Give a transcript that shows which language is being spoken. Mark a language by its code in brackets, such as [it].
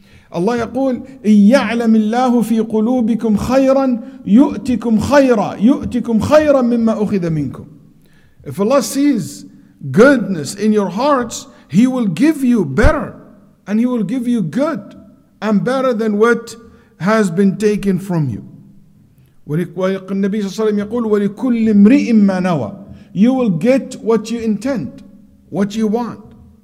[ar] Allah يقول إِيَّعْلَمِ اللَّهُ فِي قُلُوبِكُمْ خَيْرًا يُؤْتِكُمْ خَيْرًا يُؤْتِكُمْ خَيْرًا مِمَّا أُخِذَ مِنْكُمْ. [en] If Allah sees goodness in your hearts, He will give you better, and He will give you good and better than what has been taken from you. [ar] النبي صلى الله عليه وسلم يقول ولكل امرئ ما نوى. [en] You will get what you intend, what you want.